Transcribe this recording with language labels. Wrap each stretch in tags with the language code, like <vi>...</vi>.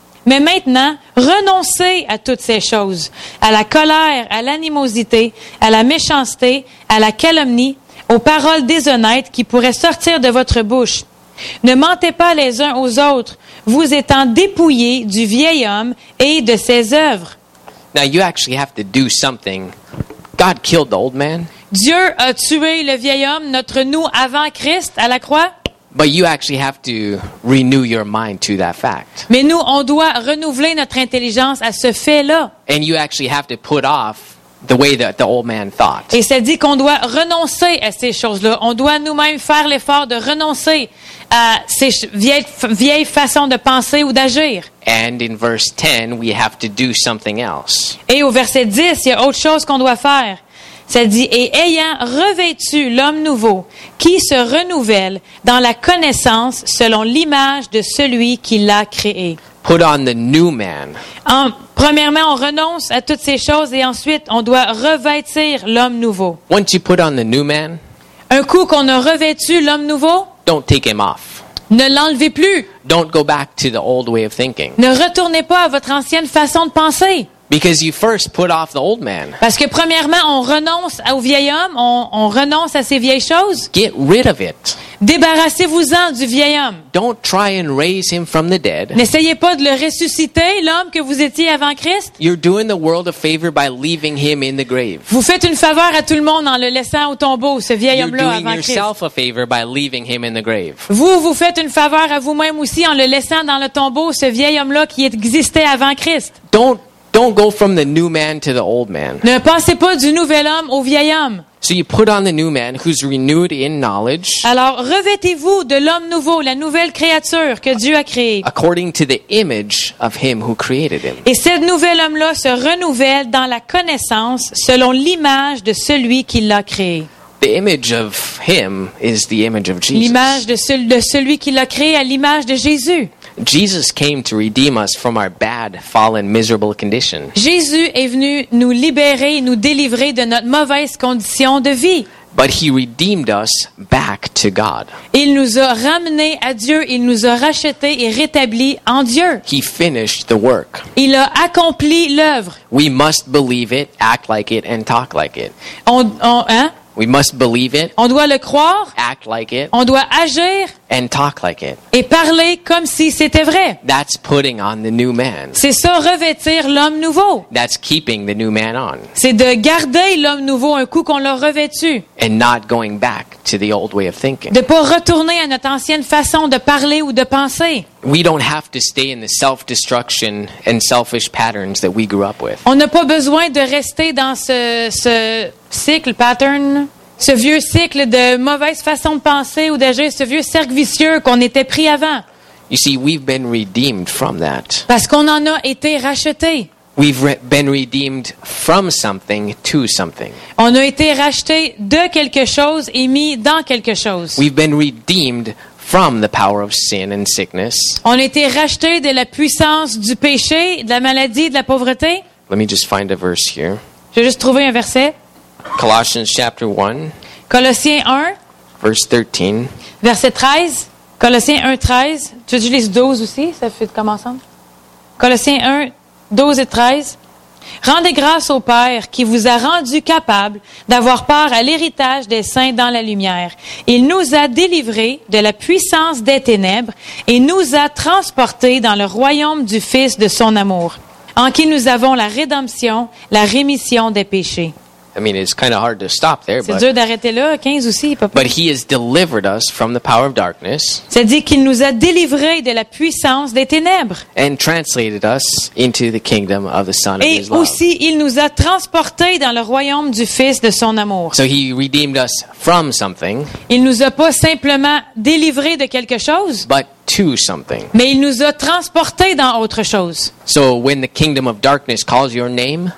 <fr>Mais maintenant, renoncez à toutes ces choses, à la colère, à l'animosité, à la méchanceté, à la calomnie, aux paroles déshonnêtes qui pourraient sortir de votre bouche. Ne mentez pas les uns aux autres, vous étant dépouillés du vieil homme et de ses œuvres.</fr> <en>Now you actually have to do something. God killed the old man.</en> <fr>Dieu a tué le vieil homme, notre nous avant Christ à la croix.</fr> <en>But you actually have to renew your mind to that fact.</en> <fr>Mais nous, on doit renouveler notre intelligence à ce fait-là.</fr> <en>And you actually have to put off the way that the old man thought.</en> <fr>Et ça dit qu'on doit renoncer à ces choses-là. On doit nous-mêmes faire l'effort de renoncer à ces vieilles façons de penser ou d'agir.</fr> <en>And in verse 10, we have to do something else.</en> <fr>Et au verset 10, il y a autre chose qu'on doit faire. Ça dit, et ayant revêtu l'homme nouveau, qui se renouvelle dans la connaissance selon l'image de celui qui l'a créé.</fr> <en>Put on the new man.</en> <fr>Premièrement, on renonce à toutes ces choses et ensuite, on doit revêtir l'homme nouveau.</fr> <en>Once you put on the new man,</en> <fr>un coup qu'on a revêtu l'homme nouveau,</fr> <en>don't take him off.</en> <fr>Ne l'enlevez plus.</fr> <en>Don't go back to the old way of thinking.</en> <fr>Ne retournez pas à votre ancienne façon de penser.</fr> <en>Because you first put off the old man.</en> <fr>Parce que premièrement, on renonce au vieil homme, on renonce à ces vieilles choses.</fr> <en>Get rid of it.</en> <fr>Débarrassez-vous-en du vieil homme.</fr> <en>Don't try and raise him from the dead.</en> <fr>N'essayez pas de le ressusciter, l'homme que vous étiez avant Christ.</fr> <en>You're doing the world a favor by leaving him in the grave.</en> <fr>Vous faites une faveur à tout le monde en le laissant au tombeau, ce vieil homme-là avant Christ.</fr> <en>You're doing yourself a favor by leaving him in the grave.</en> <fr>Vous faites une faveur à vous-même aussi en le laissant dans le tombeau, ce vieil homme-là qui existait avant Christ.</fr> <en>Don't go from the new man to the old man.</en> <fr>Ne passez pas du nouvel homme au vieil homme.</fr> <en>So you put on the new man who's renewed in knowledge.</en> <fr>Alors revêtez-vous de l'homme nouveau, la nouvelle créature que Dieu a créée.</fr> <en>According to the image of him who created him.</en> <fr>Et ce nouvel homme-là se renouvelle dans la connaissance selon l'image de celui qui l'a créé.</fr> <en>The image of him is the image of Jesus.</en> <fr>L'image de celui qui l'a créé à l'image de Jésus.</fr> <en>Jesus came to redeem us from our bad, fallen, miserable condition.</en> <fr>Jésus est venu nous libérer, nous délivrer de notre mauvaise condition de vie.</fr> <en>But he redeemed us back to God.</en> <fr>Il nous a ramenés à Dieu, il nous a rachetés et rétablis en Dieu.</fr> <en>He finished the work.</en> <fr>Il a accompli l'œuvre.</fr> <en>We must believe it, act like it and talk like it. We must believe it.</en> <fr>On doit le croire.</fr> <en>Act like it.</en> <fr>On doit agir.</fr> <en>And talk like it.</en> <fr>Et parler comme si c'était vrai.</fr> <en>That's putting on the new man.</en> <fr>C'est ça, revêtir l'homme nouveau.</fr> <en>That's keeping the new man on.</en> <fr>C'est de garder l'homme nouveau un coup qu'on l'a revêtu.</fr> <en>And not going back to the old way of thinking.</en> <fr>De pas retourner à notre ancienne façon de parler ou de penser.</fr> <en>We don't have to stay in the self-destruction and selfish patterns that we grew up with.</en> <fr>On n'a pas besoin de rester dans ce cycle pattern, ce vieux cycle de mauvaise façon de penser ou d'agir, ce vieux cercle vicieux qu'on était pris avant.</fr> <en>You see, we've been redeemed from that.</en> <fr>Parce qu'on en a été racheté.</fr> <en>We've been redeemed from something to something.</en> <fr>On a été racheté de quelque chose et mis dans quelque chose.</fr> <en>We've been redeemed from the power of sin and sickness.</en> <fr>On a été racheté de la puissance du péché, de la maladie, de la pauvreté.</fr> <en>Let me just find a verse here.</en> <fr>Je vais juste trouver un verset.</fr> <en>Colossians chapter 1.</en> <fr>Colossiens 1.</fr> <en>Verse 13.</en> <fr>Verset 13. Colossiens 1, 13. Tu veux les 12 aussi? Ça fait comme ensemble? Colossiens 1, 12 et 13. Rendez grâce au Père qui vous a rendu capable d'avoir part à l'héritage des saints dans la lumière. Il nous a délivrés de la puissance des ténèbres et nous a transportés dans le royaume du Fils de son amour, en qui nous avons la rédemption, la rémission des péchés.</fr> <en>I mean, it's kind of hard to stop there.</en> <fr>C'est dur d'arrêter là, 15 aussi, papa.</fr> <en>But he has delivered us from the power of darkness.</en> <fr>C'est-à-dire qu'il nous a délivrés de la puissance des ténèbres.</fr> <en>And translated us into the kingdom of the Son of His love.</en> <fr>Et aussi, il nous a transportés dans le royaume du Fils de son amour.</fr> <en>So he redeemed us from something.</en> <fr>Il nous a pas simplement délivrés de quelque chose.</fr> <en>But to something.</en> <fr>Mais il nous a transportés dans autre chose.</fr> <en>So when the kingdom of darkness calls your name,</en>